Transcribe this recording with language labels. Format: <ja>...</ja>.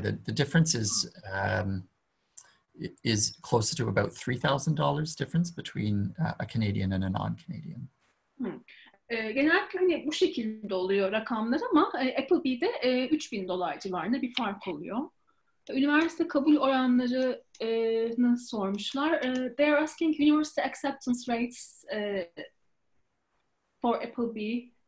<en>The difference is closer to about $3,000 difference between a Canadian and a non-Canadian.</en> <tr>Genellikle hani bu şekilde oluyor rakamlar ama Appleby'de 3000 dolar civarında bir fark oluyor. Üniversite kabul oranlarını sormuşlar.</tr> <en>They are asking university acceptance rates for Appleby.</en>